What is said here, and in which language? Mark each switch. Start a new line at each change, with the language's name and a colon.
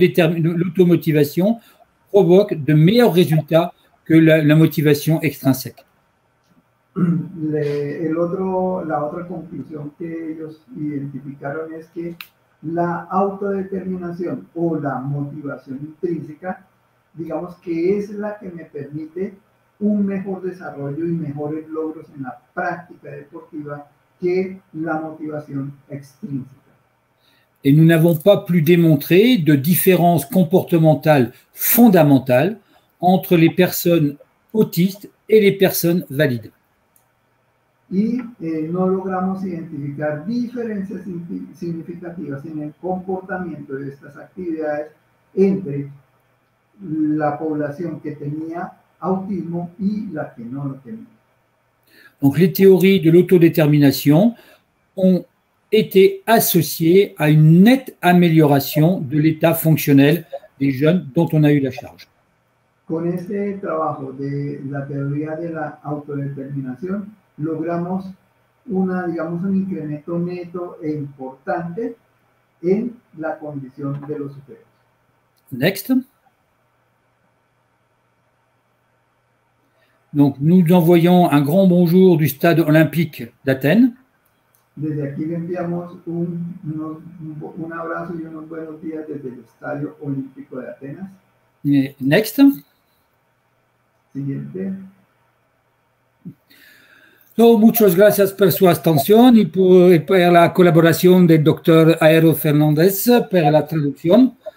French: L'automotivation provoque de meilleurs résultats que la motivation extrinsèque.
Spanish: La otra conclusión que ellos identificaron es que la autodeterminación o la motivación intrínseca, digamos que es la que me permite un mejor desarrollo y mejores logros en la práctica deportiva que la motivación extrínseca.
French: Et nous n'avons pas plus démontré de différence comportementale fondamentale entre les personnes autistes et les personnes valides. Et nous
Spanish: logramos identificar diferencias significativas en el comportamiento de estas actividades entre la población que tenía autismo y la que no lo tenía.
French: Donc les théories de l'autodétermination ont était associé à une nette amélioration de l'état fonctionnel des jeunes dont on a eu la charge.
Spanish: Con este trabajo de la teoría de la autodeterminación, logramos un incremento neto e importante en la condición de los sujetos.
English: Next.
French: Donc, nous envoyons un grand bonjour du stade olympique d'Athènes.
Spanish: Desde aquí le enviamos un abrazo y unos buenos días desde el Estadio Olímpico de Atenas.
English: Next.
Spanish: Siguiente. So, muchas gracias por su atención y por la colaboración del doctor Aero Fernández para la traducción.